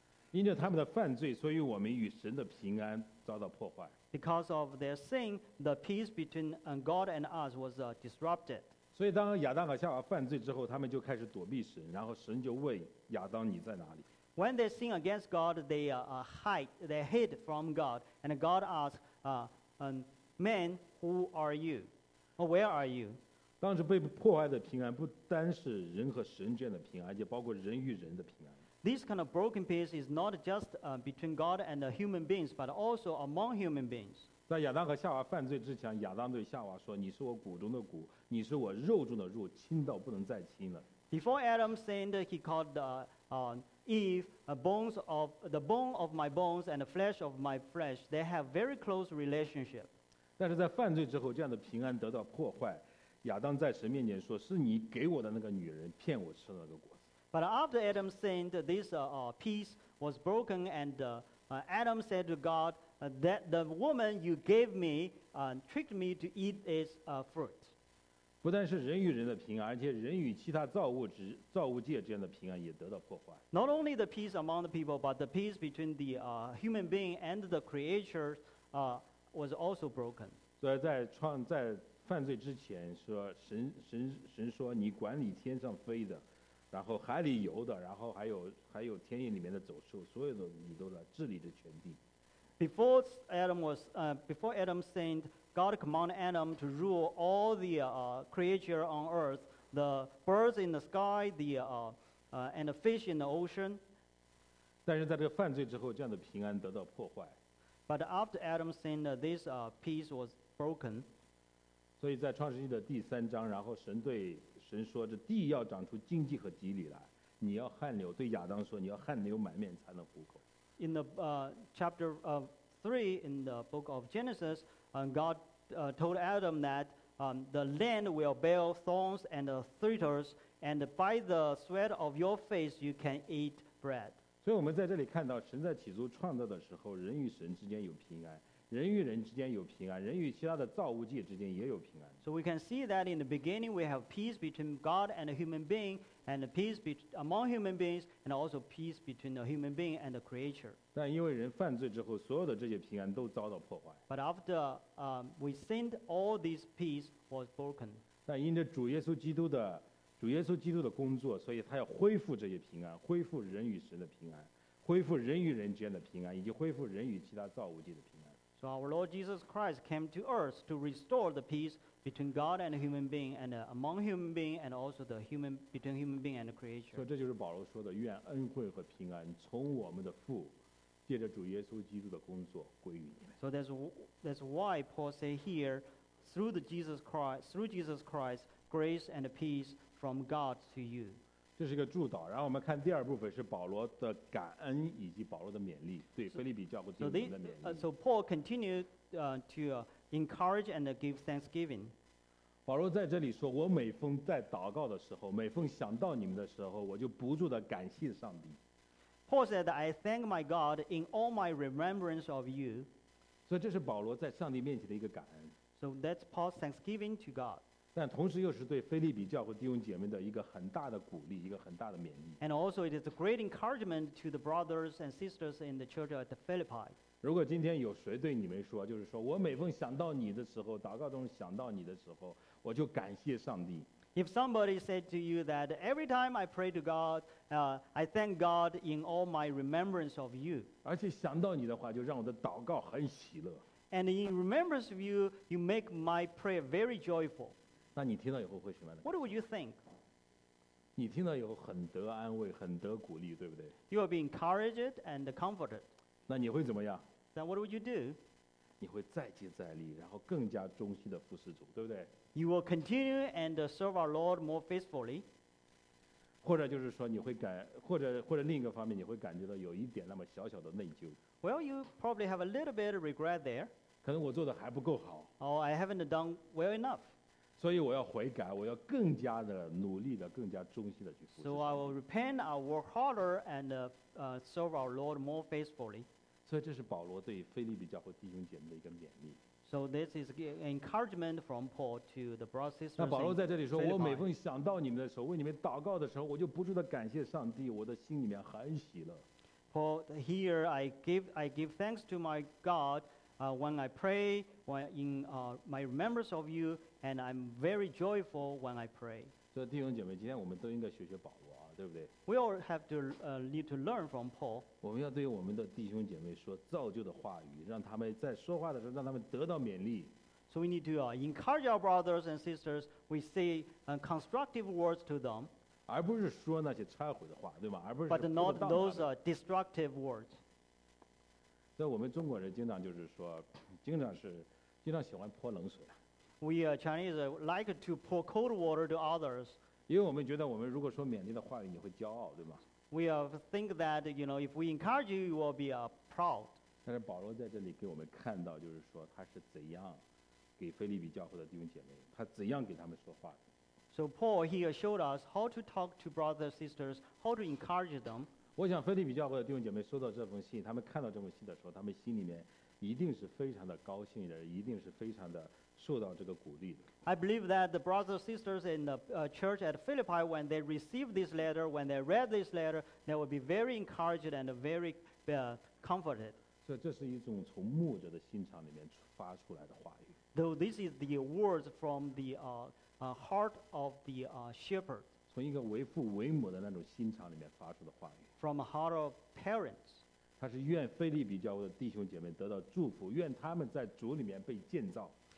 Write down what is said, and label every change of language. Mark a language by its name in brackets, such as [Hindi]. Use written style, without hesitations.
[Chinese] 因着他们的犯罪，所以我们与神的平安遭到破坏。 [English] Because of their sin, the peace between God and us was disrupted. [Chinese] 所以当亚当和夏娃犯罪之后，他们就开始躲避神，然后神就问亚当你在哪里。 [English] When they sin against God, they hid from God, and God asked, man, who are you? Or where are you? [Chinese] 当时被破坏的平安不单是人和神之间的平安，而且包括人与人的平安。 [English] This kind of broken peace is not just between God and human beings, but also among human beings. [Chinese] 在亚当和夏娃犯罪之前，亚当对夏娃说：“你是我骨中的骨，你是我肉中的肉，亲到不能再亲了。” [English] Before Adam sinned, he called Eve bones of the bone of my bones and the flesh of my flesh. They have very close relationship. [Chinese] 但是在犯罪之后，这样的平安得到破坏。亚当在神面前说：“是你给我的那个女人骗我吃了那个果子。” [English] But after Adam sinned, this peace was broken, and Adam said to God, that the woman you gave me tricked me to eat its fruit. [Chinese] 不但是人与人的平安，而且人与其他造物界之间的平安也得到破坏。 [English] Not only the peace among the people, but the peace between the human being and the creature was also broken. [Chinese] 所以在犯罪之前说神说你管理天上飞的，然后海里游的，然后还有天地里面的走兽，所有的你都来治理这全地。 [English] Before Adam sinned, God commanded Adam to rule all the creatures on earth, the birds in the sky, and the fish in the ocean. [Chinese] 但是在这个犯罪之后，这样的平安得到破坏。 [English] But after Adam sinned, this peace was broken. [Chinese] 所以在创世纪的第三章，然后神说：“这地要长出荆棘和蒺藜来，你要汗流。” 对亚当说：“你要汗流满面才能糊口。” [English] In the chapter 3 in the book of Genesis, God told Adam that the land will bear thorns and thistles, and by the sweat of your face you can eat bread. [Chinese] 所以我们在这里看到，神在起初创造的时候，人与神之间有平安。人与人之间有平安，人与其他的造物界之间也有平安。 [English] So we can see that in the beginning we have peace between God and a human being, and peace among human beings, and also peace between a human being and the creature. [Chinese] 但因为人犯罪之后，所有的这些平安都遭到破坏。 [English] But after we sinned, all this peace was broken. [Chinese] 但因着主耶稣基督的工作，所以他要恢复这些平安，恢复人与神的平安，恢复人与人之间的平安，以及恢复人与其他造物界的平安。 [English] So our Lord Jesus Christ came to earth to restore the peace between God and human being, and among human being, and also the human between human being and the creature. [Chinese] 这就是保罗说的，愿恩惠和平安从我们的父，借着主耶稣基督的工作归于你们。 [English] So that's why Paul say here, through Jesus Christ, grace and peace from God to you. [Chinese] 这是一个祝祷。然后我们看第二部分是保罗的感恩以及保罗的勉励，对腓立比教会弟兄的勉励。 [English] So Paul continued to encourage and give thanksgiving. [Chinese] 保罗在这里说：“我每逢在祷告的时候，每逢想到你们的时候，我就不住地感谢上帝。” [English] Paul said, "I thank my God in all my remembrance of you." [Chinese] 所以这是保罗在上帝面前的一个感恩。 [English] So that's Paul's thanksgiving to God. [Chinese] 但同时又是对腓立比教会弟兄姐妹的一个很大的鼓励，一个很大的勉励。 [English] And also, it is a great encouragement to the brothers and sisters in the church at Philippi. [Chinese] 如果今天有谁对你们说，就是说我每逢想到你的时候，祷告中想到你的时候，我就感谢上帝。 [English] If somebody said to you that every time I pray to God, I thank God in all my remembrance of you. [Chinese] 而且想到你的话，就让我的祷告很喜乐。 [English] And in remembrance of you, you make my prayer very joyful. [Chinese] 那你听到以后会什么呢 [English] ？What would you think？ [Chinese] 你听到以后很得安慰，很得鼓励，对不对 [English] ？You will be encouraged and comforted。 [Chinese] 那你会怎么样 [English] ？Then what would you do？ [Chinese] 你会再接再厉，然后更加忠心的服侍主，对不对 [English] ？You will continue and serve our Lord more faithfully。 [Chinese] 或者就是说你会感，或者另一个方面，你会感觉到有一点那么小小的内疚。 [English] Well, you probably have a little bit of regret there。 [Chinese] 可能我做的还不够好。 [English] Oh, I haven't done well enough。 [Chinese] 所以我要悔改，我要更加的努力的，更加忠心的去服侍。 [English] So I will repent, I will work harder, and serve our Lord more faithfully. [Chinese] 所以这是保罗对腓立比教会弟兄姐妹的一个勉励。 [English] So this is encouragement from Paul to the brothers and sisters. [Chinese] 那保罗在这里说，我每逢想到你们的时候，为你们祷告的时候，我就不住的感谢上帝，我的心里面很喜乐。 [English] Paul, here I give thanks to my God. When I pray, when in my remembrance of you, and I'm very joyful when I pray. [Chinese] 所以弟兄姐妹，今天我们都应该学学保罗啊，对不对 [English] ？We all have to need to learn from Paul. [Chinese] 我们要对我们的弟兄姐妹说造就的话语，让他们在说话的时候让他们得到勉励。 [English] So we need to encourage our brothers and sisters. We say constructive words to them. [Chinese] 而不是说那些拆毁的话，对吗？而不是。 [English] But not those destructive words. [Chinese] 在我们中国人经常就是说，经常喜欢泼冷水。 [English] We Chinese like to pour cold water to others. [Chinese] 因为我们觉得我们如果说勉励的话语，你会骄傲，对吗 [English] ？We think that you know if we encourage you, you will be proud. [Chinese] 但是保罗在这里给我们看到，就是说他是怎样给腓立比教会的弟兄姐妹，他怎样给他们说话的。 [English] So Paul here showed us how to talk to brothers and sisters, how to encourage them. [Chinese] 我想腓立比教会的弟兄姐妹收到这封信，他们看到这封信的时候，他们心里面一定是非常的高兴的，一定是非常的受到这个鼓励的。 [English] I believe that the brothers and sisters in the church at Philippi, when they received this letter, when they read this letter, they would be very encouraged and very comforted. [Chinese] 所以这是一种从牧者的心肠里面发出来的话语。 [English] Though this is the words from the heart of the shepherd. [Chinese] 从一个为父为母的那种心肠里面发出的话语。 [English] From a heart of parents. [Chinese] 他是愿腓立比教会的弟兄姐妹得到祝福，愿他们在主里面被建造。